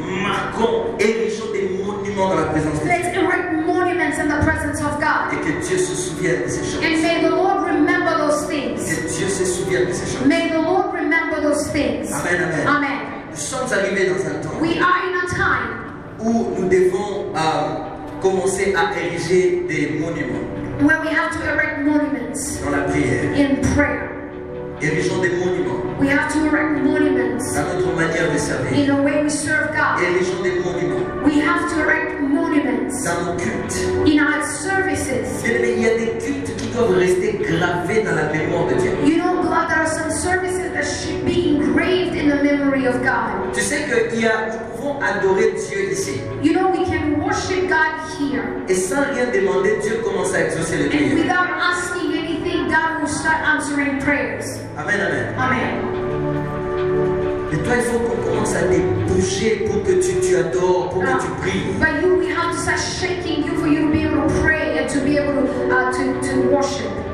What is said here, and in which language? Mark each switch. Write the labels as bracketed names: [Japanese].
[French] Marquons et érigeons des monuments dans la présence de Dieu. [English] Let's erect monuments in the presence of God. [French] Et que Dieu se souvienne de ces choses. [English] And may the Lord remember those things. [French] Que Dieu se souvienne de ces choses. [English] May the Lord remember those things. [French] Amen, amen. [English] Amen. [French] Nous sommes arrivés dans un temps. [English] We are in a time [French] où nous devons commencer à ériger des monuments. [English] Where we have to erect monuments. [French] Dans la prière. [English] In prayer. [French] Érigeons des monuments. [English] We have to erect monuments. [French] Dans notre manière de servir. [English] In the way we serve God. [French] Érigeons des monuments. [English] We have to erect monuments. [French] Dans nos cultes. [English] In our services. [French] Il y a des cultes qui doivent rester gravés dans la mémoire de Dieu. [English] You know, God, there are some services that should be engraved in the memory of God. [French] Tu sais que nous pouvons adorer Dieu ici. [English] You know, we can worship God here. [French] Et sans rien demander, Dieu commence à exaucer les prières. [English] And without asking, God will start answering prayers. [French] Amen, amen. [English] Amen. [French] Mais toi, il faut qu'on commence à te bouger pour que tu adores, pour que tu pries. [English] But you, we have to start shaking you for you to be able to pray and to be able to worship.